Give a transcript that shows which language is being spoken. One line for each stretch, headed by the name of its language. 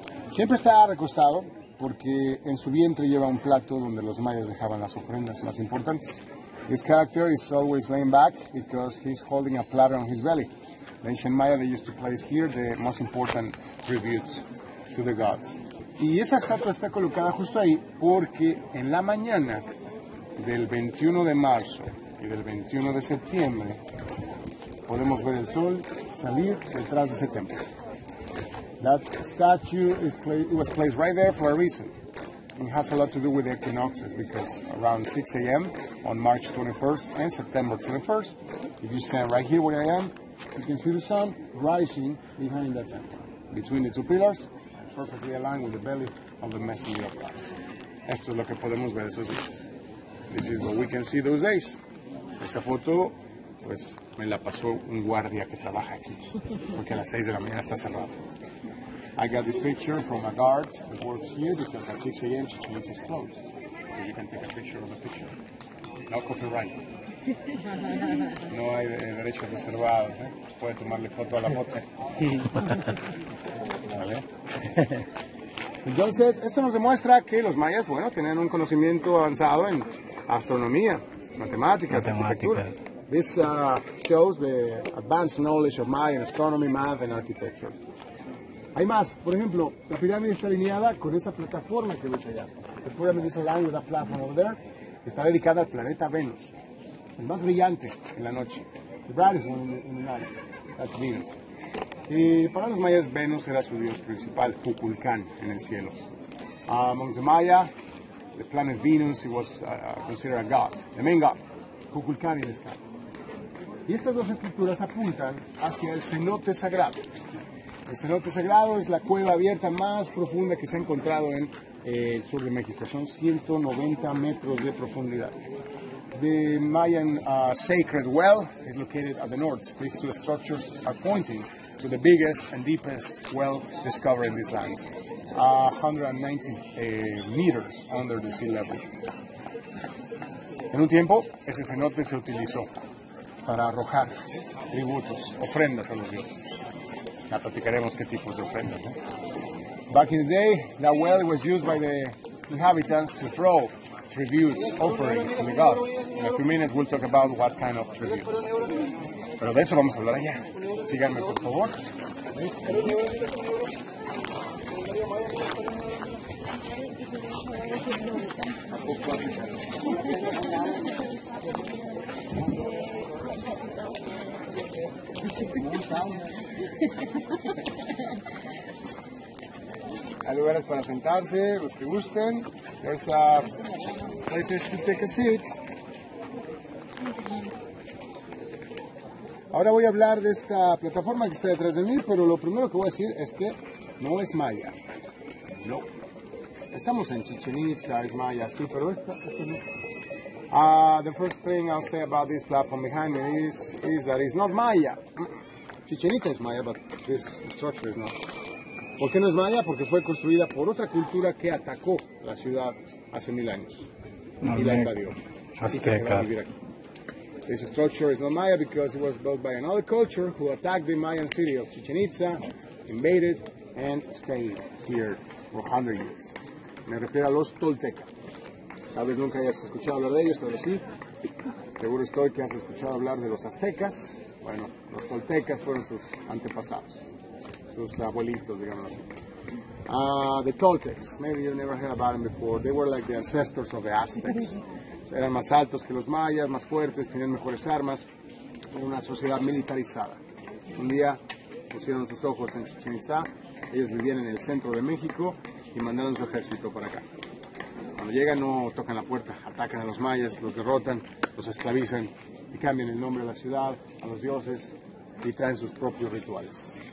Spanish: Siempre está recostado porque en su vientre lleva un plato donde los mayas dejaban las ofrendas más importantes.
English: This character is always laying back because he's holding a platter on his belly. The ancient Maya, they used to place here the most important tributes to the gods.
Spanish: Y esa estatua está colocada justo ahí porque en la mañana del 21 de marzo y del 21 de septiembre podemos ver el sol salir detrás de ese templo.
English: That statue was placed right there for a reason. It has a lot to do with the equinoxes, because around 6 a.m. on March 21st and September 21st, if you stand right here where I am, you can see the sun rising behind that temple, between the two pillars, perfectly aligned with the belly of the messenger of God.
Spanish: Esto es lo que podemos ver esos días.
English: This is what we can see those days.
Spanish: Esta foto, pues, me la pasó un guardia que trabaja aquí, porque a las 6 de la mañana está cerrado.
English: I got this picture from a guard that works here because at 6 a.m. she changes his clothes. So you can take a picture of the picture.
Spanish: No copyright. No hay derechos reservados, ¿eh? Puede tomarle foto a la foto. ¿Vale? Entonces, esto nos demuestra que los mayas, bueno, tenían un conocimiento avanzado en astronomía, matemáticas, arquitectura.
English: This shows the advanced knowledge of Mayan astronomy, math, and architecture.
Spanish: Hay más. Por ejemplo, la pirámide está alineada con esa plataforma que ves allá.
English: The pyramid is aligned with that platform over there.
Spanish: Está dedicada al planeta Venus, el más brillante en la noche. The brightest one in the night. That's Venus. Y para los mayas, Venus era su dios principal, Kukulkan, en el cielo.
English: Among the Maya, the planet Venus was considered a god, the main god, Kukulkan in the sky.
Spanish: Y estas dos estructuras apuntan hacia el cenote sagrado. El cenote sagrado es la cueva abierta más profunda que se ha encontrado en el sur de México. Son 190 metros de profundidad.
English: The Mayan sacred well is located at the north. These two structures are pointing to the biggest and deepest well discovered in this land, 190 meters under the sea level.
Spanish: En un tiempo, ese cenote se utilizó para arrojar tributos, ofrendas a los dioses. Ya platicaremos qué tipos de ofrendas. ¿Eh?
English: Back in the day, that well was used by the inhabitants to throw tributes, offerings to the gods. In a few minutes, we'll talk about what kind of tributes.
Spanish: Pero de eso vamos a hablar allá. Síganme, por favor. Hay lugares para sentarse, los que gusten. There's places to take a seat. Ahora voy a hablar de esta plataforma que está detrás de mí, pero lo primero que voy a decir es que no es maya. No. Estamos en Chichen Itza, es maya, sí, pero esta no.
English: The first thing I'll say about this platform behind me is that it's not maya. Chichen Itza is maya, but this structure is not.
Spanish: ¿Por qué no es maya? Porque fue construida por otra cultura que atacó la ciudad hace mil años. Y la invadió. Azteca.
English: This structure is not Maya because it was built by another culture who attacked the Mayan city of Chichen Itza, invaded, and stayed here for 100 years.
Spanish: Me refiero a los Tolteca. Tal vez nunca hayas escuchado hablar de ellos, pero sí. Seguro estoy que has escuchado hablar de los Aztecas. Bueno, los Toltecas fueron sus antepasados, sus abuelitos, digamos así.
English: The Toltecs, maybe you never heard about them before. They were like the ancestors of the Aztecs.
Spanish: Eran más altos que los mayas, más fuertes, tenían mejores armas, una sociedad militarizada. Un día pusieron sus ojos en Chichen Itza, ellos vivían en el centro de México y mandaron su ejército para acá. Cuando llegan no tocan la puerta, atacan a los mayas, los derrotan, los esclavizan y cambian el nombre de la ciudad, a los dioses y traen sus propios rituales.